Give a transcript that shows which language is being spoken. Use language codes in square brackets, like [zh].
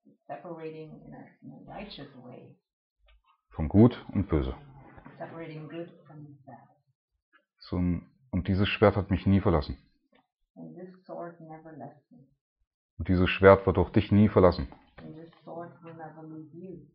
[en] Separating in a righteous way. [de] Von Gut und Böse. [en] Separating good from bad. [de] So, und dieses Schwert hat mich nie verlassen. [en] And this sword never left me. [de] Und dieses Schwert wird auch dich nie verlassen. [en] And this sword will never leave you.